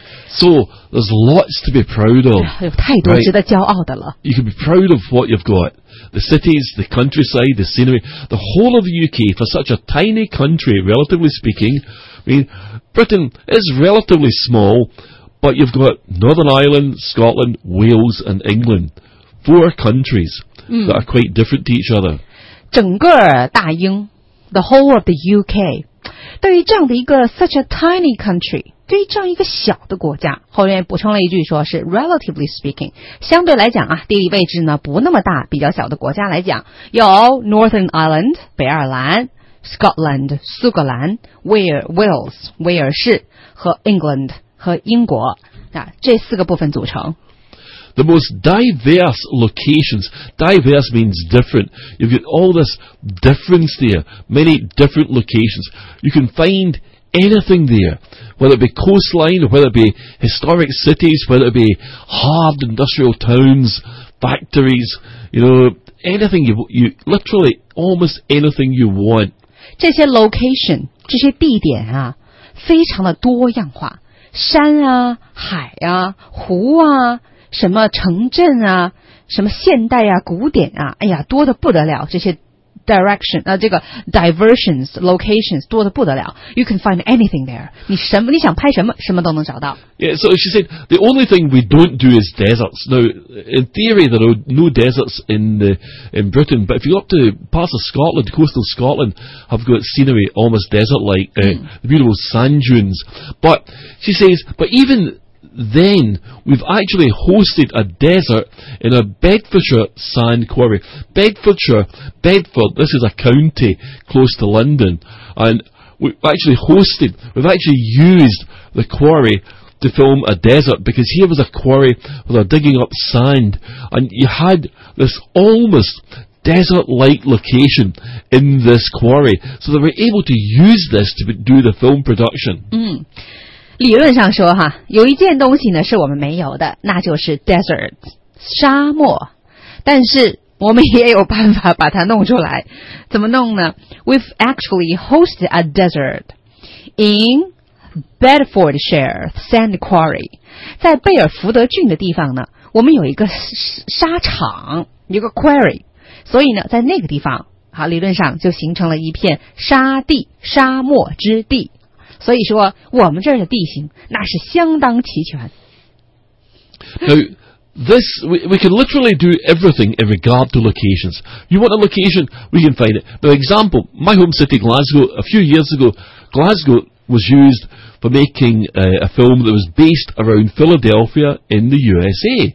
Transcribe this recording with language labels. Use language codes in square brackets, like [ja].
[en] So there's lots to be proud of. [zh] 有太多值得骄傲的了。 [en] Right. You can be proud of what you've got: the cities, the countryside, the scenery, the whole of the UK for such a tiny country, relatively speaking. I mean. Britain is relatively small, but you've got Northern Ireland, Scotland, Wales and England. Four countries that are quite different to each other. [zh] 整个大英 [en] the whole of the UK, [zh] 对于这样的一个 [en] such a tiny country, [zh] 对于这样一个小的国家，后面补充了一句说是 [en] relatively speaking, [zh] 相对来讲啊，地理位置呢不那么大，比较小的国家来讲，有 Northern Ireland, 北爱尔兰。 Scotland, 苏格兰 Wales, 威尔士和 England, 和英国、啊、这四个部分组成 [en] The most diverse locations Diverse means different You've got all this difference there Many different locations You can find anything there Whether it be coastline Whether it be historic cities Whether it be hard industrial towns Factories You know, anything you Literally almost anything you want [zh] 这些 location 这些地点啊非常的多样化山啊海啊湖啊什么城镇啊什么现代啊古典啊哎呀多得不得了这些 direction, 这个 diversions, locations, 多得不得了。 [en] You can find anything there. [zh] 你想拍什么，什么都能找到。 [en] Yeah, so she said, the only thing we don't do is deserts. Now, in theory, there are no deserts in Britain, but if you go up to parts of Scotland, coastal Scotland, have got scenery almost desert-like, the beautiful sand dunes. But, she says, but even then, we've actually hosted a desert in a Bedfordshire sand quarry. Bedford, this is a county close to London, and we've actually used the quarry to film a desert, because here was a quarry where they're digging up sand, and you had this almost desert-like location in this quarry, so they were able to use this to do the film production. Mm. [zh] 理论上说哈，有一件东西呢是我们没有的，那就是 desert 沙漠，但是我们也有办法把它弄出来。怎么弄呢？ [en] We've actually hosted a desert in Bedfordshire sand quarry， [zh] 在贝尔福德郡的地方呢，我们有一个沙场，有个 quarry， 所以呢在那个地方好，理论上就形成了一片沙地，沙漠之地。所以说我们这儿的地形那是相当齐全。 [en] Now, this, we can literally do everything in regard to locations. You want a location, we can find it. For example, my home city, Glasgow, a few years ago, Glasgow was used for making a film that was based around Philadelphia in the USA.